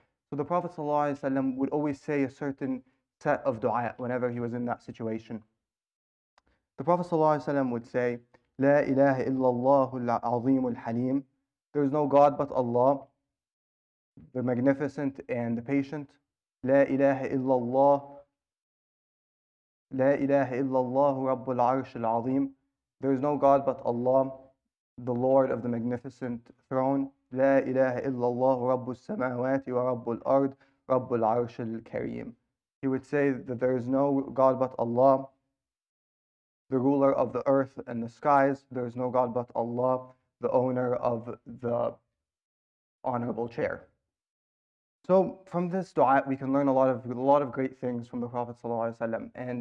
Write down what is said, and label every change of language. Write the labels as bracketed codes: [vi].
[en] So the Prophet sallallahu alayhi wa sallam would always say a certain set of dua whenever he was in that situation. The Prophet sallallahu alayhi wa sallam would say, [ar] لا إله إلا الله العظيم الحليم. [en] There is no God but Allah, the Magnificent and the Patient. [ar] لا إله إلا الله. لا إله إلا الله رب العرش العظيم. [en] There is no God but Allah, the Lord of the Magnificent Throne. [ar] لا إله إلا الله رب السماوات ورب الأرض رب العرش الكريم. [en] He would say that there is no God but Allah, the ruler of the earth and the skies. There is no God but Allah, the owner of the honorable chair. So from this dua, we can learn a lot of great things from the Prophet ﷺ.